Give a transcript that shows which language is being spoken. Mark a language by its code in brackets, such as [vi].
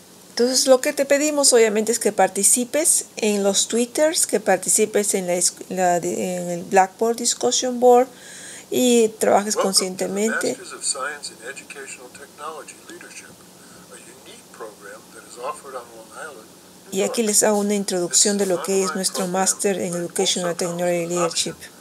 [es] Entonces, lo que te pedimos obviamente es que participes en los Twitters, que participes en el Blackboard Discussion Board y trabajes [en] Welcome [es] conscientemente. [en] To the Masters of Science in Educational Technology Leadership, a unique program that is offered on Long Island. [es] Y aquí les hago una introducción de lo que es nuestro Master en Educational Technology Leadership.